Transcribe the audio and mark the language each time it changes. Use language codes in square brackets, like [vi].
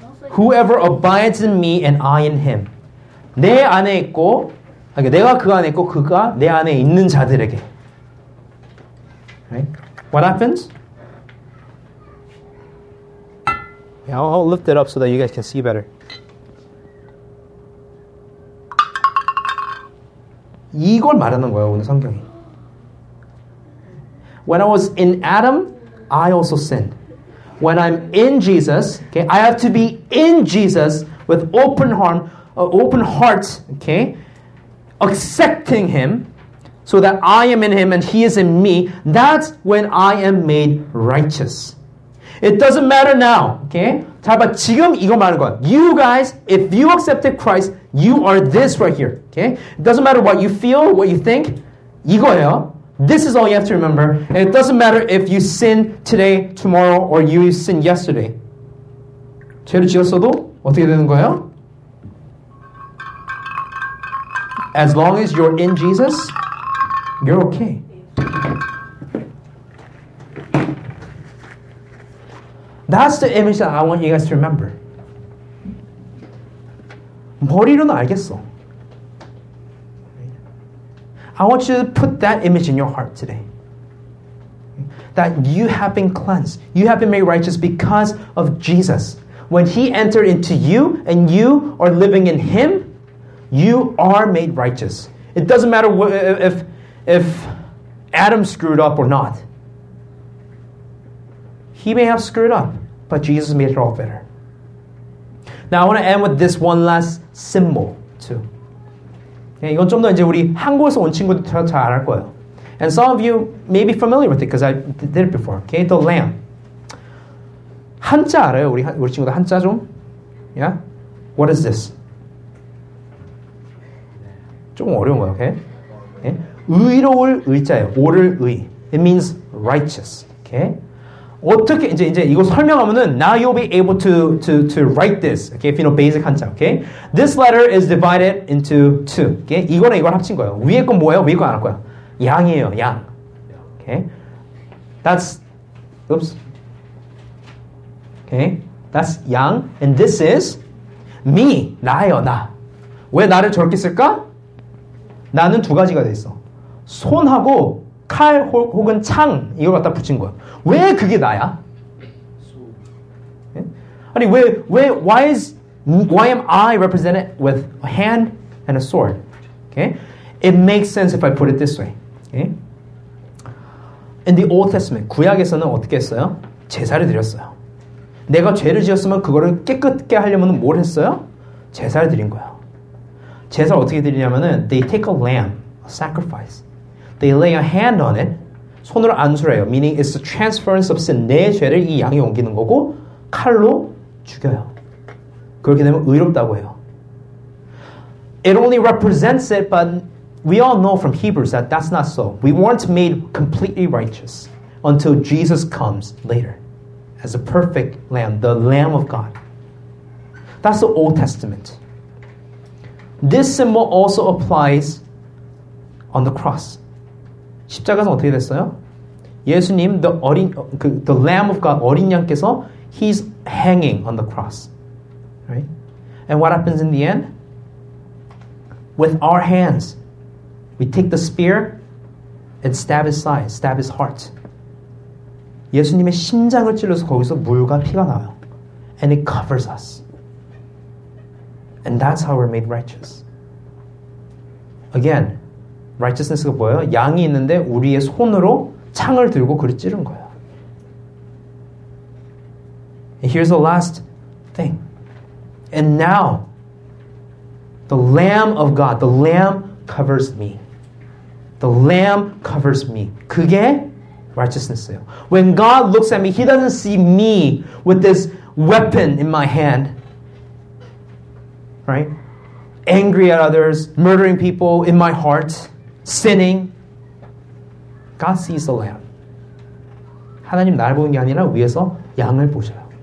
[en] Whoever abides in me and I in him, [ko] 내 안에 있고, 아니 내가 그 안에 있고 그가 내 안에 있는 자들에게. [en] Right. What happens? Yeah, I'll lift it up so that you guys can see better. [ko] 이걸 말하는 거예요, 오늘 성경이. [en] When I was in Adam, I also sinned. When I'm in Jesus, okay, I have to be in Jesus with open heart, okay, accepting him so that I am in him and he is in me. That's when I am made righteous. It doesn't matter now, okay? [ko] 자, 봐, 지금 이거 말하는 거야. [en] You guys, if you accepted Christ, you are this right here, okay? It doesn't matter what you feel, what you think, [ko] 이거예요. [en] This is all you have to remember. And it doesn't matter if you sin today, tomorrow, or you sin yesterday. [ko] 죄를 지었어도 어떻게 되는 거예요? [en] As long as you're in Jesus, you're okay. That's the image that I want you guys to remember. [ko] 머리로는 알겠어. [en] I want you to put that image in your heart today. That you have been cleansed. You have been made righteous because of Jesus. When he entered into you and you are living in him, you are made righteous. It doesn't matter if Adam screwed up or not. He may have screwed up. But Jesus made it all better. Now I want to end with this one last symbol too. [ko] Okay, 이건 좀 더 이제 우리 한국에서 온 친구들 다 알 거예요. [en] And some of you may be familiar with it because I did it before. Okay, the lamb. [ko] 한자 알아요? 우리 친구들 한자 좀? Yeah? [en] What is this? [ko] 조금 어려운 거예요. Okay? 의로울 의자예요. 오를 의. [en] It means righteous. [ko] Okay? 어떻게 이제 이거 설명하면은 [en] now you'll be able to write this. Okay? If you know basic 한자. Okay? This letter is divided into two. Okay? [ko] 이거랑 이걸 합친 거예요. 위에 건 뭐예요? 위에 건 안 할 거야. 양이에요. 양. Okay? [en] That's oops. Okay? That's 양 and this is me. [ko] 나예요, 나. 왜 나를 저렇게 쓸까? 나는 두 가지가 돼 있어. 손하고 칼 혹은 창 이걸 갖다 붙인 거야. 왜 그게 나야? [en] 아니 왜 why am I represented with a hand and a sword? Okay? It makes sense if I put it this way. [ko] Okay? [en] In the Old Testament, [ko] 구약에서는 어떻게 했어요? 제사를 드렸어요. 내가 죄를 지었으면 그거를 깨끗게 하려면 뭘 했어요? 제사를 드린 거야. 제사를 어떻게 드리냐면은 [en] they take a lamb, a sacrifice. They lay a hand on it. [ko] 손으로 안수를 해요. [en] Meaning it's a transference of sin. [ko] 내 죄를 이 양에 옮기는 거고 칼로 죽여요. 그렇게 되면 의롭다고 해요. [en] It only represents it, but we all know from Hebrews that that's not so. We weren't made completely righteous until Jesus comes later as a perfect lamb, the Lamb of God. That's the Old Testament. This symbol also applies on the cross. [ko] 십자가는 어떻게 됐어요? [en] 예수님, the Lamb of God, [ko] 어린 양께서, [en] he's hanging on the cross. Right? And what happens in the end? With our hands, we take the spear and stab his side, stab his heart. [ko] 예수님의 심장을 찔러서 거기서 물과 피가 나와요. [en] And it covers us. And that's how we're made righteous. [ko] Again, righteousness가 뭐예요? 양이 있는데 우리의 손으로 창을 들고 그를 찌른 거예요. [en] And here's the last thing. And now, the Lamb of God, the Lamb covers me. The Lamb covers me. [ko] 그게 righteousness예요. [en] When God looks at me, He doesn't see me with this weapon in my hand. Right? Angry at others, murdering people in my heart, sinning. God sees the Lamb. [ko] 하나님 나를 보는 게 아니라 위에서 양을 보셔요.